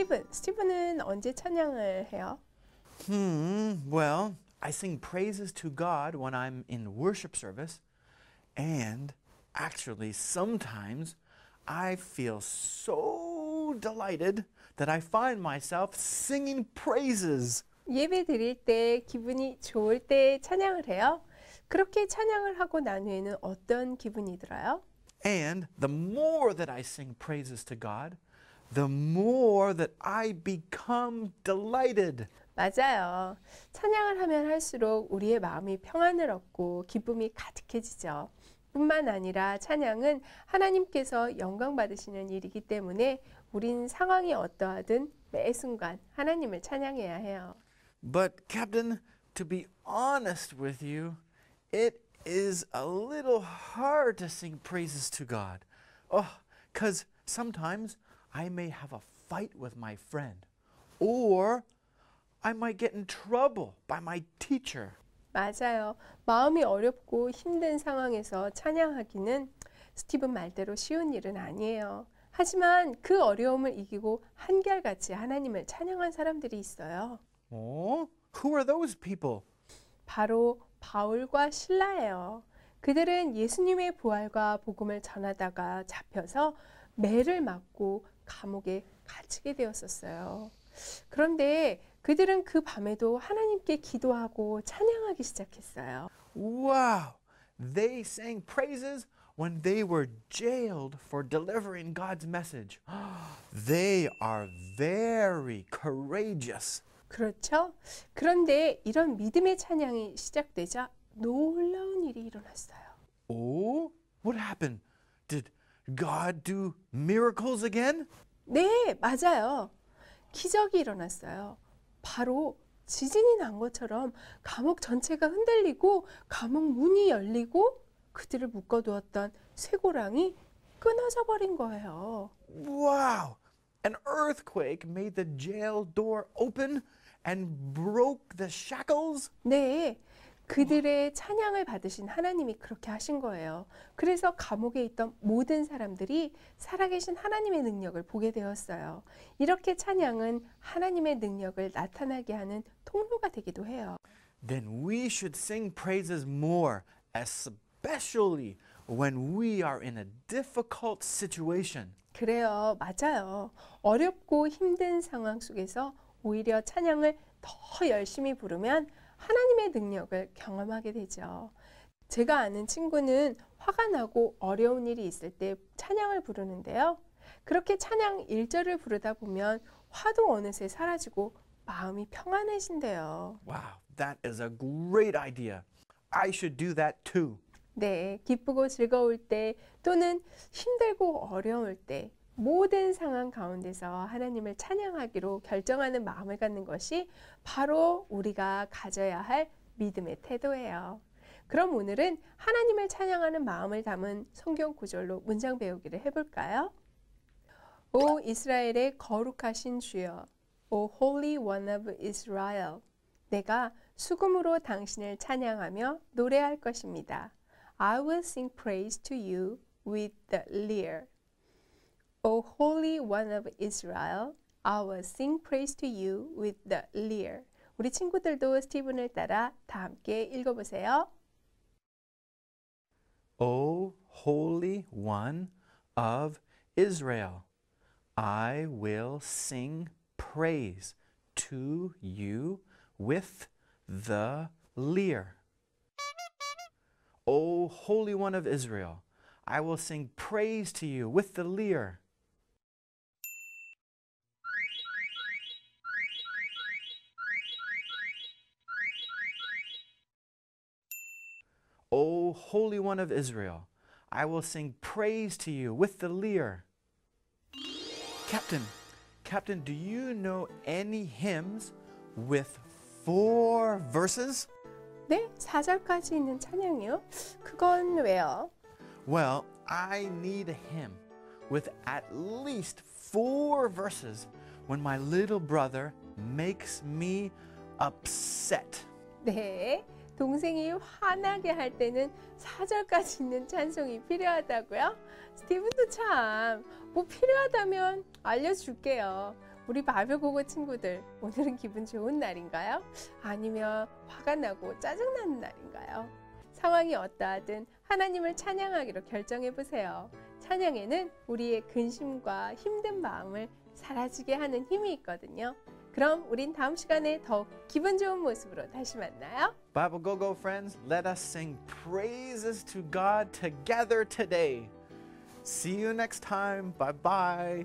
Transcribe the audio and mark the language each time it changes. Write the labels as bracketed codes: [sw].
[ko] 스티븐은 언제 찬양을 해요? [en] Well, I sing praises to God when I'm in worship service. And actually, sometimes I feel so delighted that I find myself singing praises. [ko] 예배 드릴 때 기분이 좋을 때 찬양을 해요. 그렇게 찬양을 하고 난 후에는 어떤 기분이 들어요? [en] And the more that I sing praises to God, the more that I become delighted. [ko] 맞아요. 찬양을 하면 할수록 우리의 마음이 평안을 얻고 기쁨이 가득해지죠. 뿐만 아니라 찬양은 하나님께서 영광 받으시는 일이기 때문에 우린 상황이 어떠하든 매 순간 하나님을 찬양해야 해요. [en] But Captain, to be honest with you, it is a little hard to sing praises to God. Oh, 'cause sometimes I may have a fight with my friend, or I might get in trouble by my teacher. [ko] 맞아요. 마음이 어렵고 힘든 상황에서 찬양하기는 스티븐 말대로 쉬운 일은 아니에요. 하지만 그 어려움을 이기고 한결같이 하나님을 찬양한 사람들이 있어요. [en] Oh, who are those people? [ko] 바로 바울과 실라예요. 그들은 예수님의 부활과 복음을 전하다가 잡혀서 매를 맞고 감옥에 갇히게 되었었어요. 그런데 그들은 그 밤에도 하나님께 기도하고 찬양하기 시작했어요. [en] Wow! They sang praises when they were jailed for delivering God's message. They are very courageous. [ko] 그렇죠? 그런데 이런 믿음의 찬양이 시작되자 놀라운 일이 일어났어요. [en] Oh, what happened? Did God do miracles again? [ko] 네, 맞아요. 기적이 일어났어요. 바로 지진이 난 것처럼 감옥 전체가 흔들리고 감옥 문이 열리고 그들을 묶어두었던 쇠고랑이 끊어져 버린 거예요. [en] Wow! An earthquake made the jail door open and broke the shackles? [ko] 네, 그들의 찬양을 받으신 하나님이 그렇게 하신 거예요. 그래서 감옥에 있던 모든 사람들이 살아계신 하나님의 능력을 보게 되었어요. 이렇게 찬양은 하나님의 능력을 나타나게 하는 통로가 되기도 해요. [en] Then we should sing praises more, especially when we are in a difficult situation. [ko] 그래요, 맞아요. 어렵고 힘든 상황 속에서 오히려 찬양을 더 열심히 부르면 하나님의 능력을 경험하게 되죠. 제가 아는 친구는 화가 나고 어려운 일이 있을 때 찬양을 부르는데요. 그렇게 찬양 1절을 부르다 보면 화도 어느새 사라지고 마음이 평안해진대요. [en] Wow, that is a great idea. I should do that too. [ko] 네, 기쁘고 즐거울 때 또는 힘들고 어려울 때 모든 상황 가운데서 하나님을 찬양하기로 결정하는 마음을 갖는 것이 바로 우리가 가져야 할 믿음의 태도예요. 그럼 오늘은 하나님을 찬양하는 마음을 담은 성경 구절로 문장 배우기를 해볼까요? 오 이스라엘의 거룩하신 주여, 오 [en] Holy One of Israel, [ko] 내가 수금으로 당신을 찬양하며 노래할 것입니다. [en] I will sing praise to you with the lyre. O Holy One of Israel, I will sing praise to you with the lyre. [ko] 우리 친구들도 스티븐을 따라 다 함께 읽어보세요. [en] O Holy One of Israel, I will sing praise to you with the lyre. O Holy One of Israel, I will sing praise to you with the lyre. O Holy One of Israel, I will sing praise to you with the lyre. Captain, do you know any hymns with four verses? [ko] 네, 4절까지 있는 찬양이요. 그건 왜요? [en] Well, I need a hymn with at least four verses when my little brother makes me upset. [ko] 네, 동생이 화나게 할 때는 4절까지 있는 찬송이 필요하다고요? 스티븐도 참, 뭐 필요하다면 알려줄게요. 우리 바벨고고 친구들, 오늘은 기분 좋은 날인가요? 아니면 화가 나고 짜증나는 날인가요? 상황이 어떠하든 하나님을 찬양하기로 결정해보세요. 찬양에는 우리의 근심과 힘든 마음을 사라지게 하는 힘이 있거든요. 그럼 우린 다음 시간에 더욱 기분 좋은 모습으로 다시 만나요. [en] Bible Go-Go friends, let us sing praises to God together today. See you next time. Bye-bye.